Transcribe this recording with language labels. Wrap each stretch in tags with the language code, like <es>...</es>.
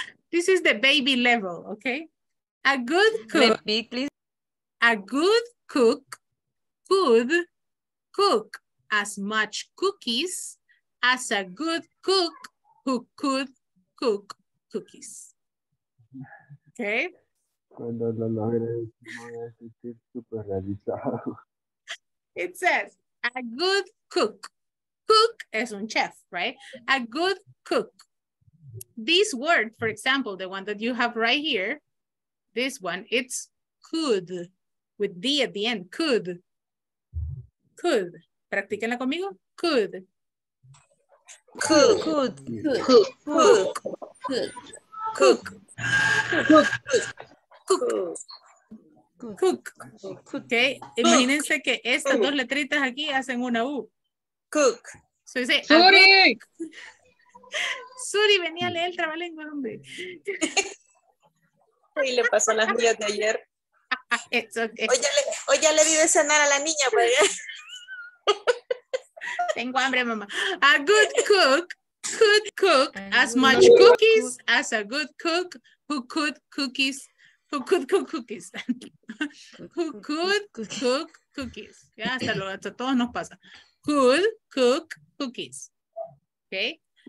<en>This is the baby level, okay? A good cook. Repeat, please. A good cook could cook as much cookies as a good cook who could cook cookies. Okay?</en> <es>Cuando lo logres, me voy a sentir super realizado.</es> <en>It says, a good cook. Cook</en> <es>es un chef,</es> <en>right? A good cook. This word, for example, the one that you have right here, this one, it's could. With D at the end, could. Could.</en> <es>Practíquenla conmigo.</es> <en>Could. Could. Could. Could. Cook. Cook. Cook. Cook. Cook. Okay.</en> <es>Imagínense que estas dos letritas aquí hacen una U.</es> <en>Cook. So you say, Suri.</en> <es>Suri, venía a leer el trabalengua, hombre. Y le pasó las mías de ayer.</es> <en>It's okay.</en> <es>Hoy ya le di de cenar a la niña, pues. Tengo hambre, mamá.</es> <en>A good cook could cook as much cookies as a good cook who could cookies, who could cook cookies. Who could cook cookies.</en> <es>Ya, hasta luego, hasta todos nos pasa.</es> <en>Could cook cookies. Okay.</en>